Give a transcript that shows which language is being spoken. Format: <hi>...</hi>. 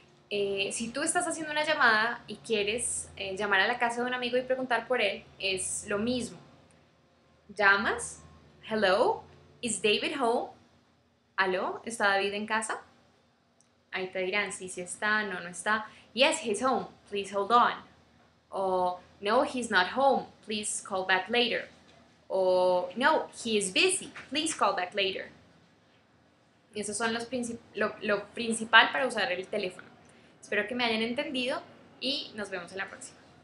<es>Si tú estás haciendo una llamada y quieres llamar a la casa de un amigo y preguntar por él, es lo mismo. Llamas,</es> <en>hello, is David home?</en> <es>¿Aló? ¿Está David en casa? Ahí te dirán, sí, sí está, no, no está.</es> <en>Yes, he's home, please hold on. O, no, he's not home, please call back later. O, no, he is busy, please call back later.</en> <es>Y esos son los lo principal para usar el teléfono. Espero que me hayan entendido y nos vemos en la próxima.</es>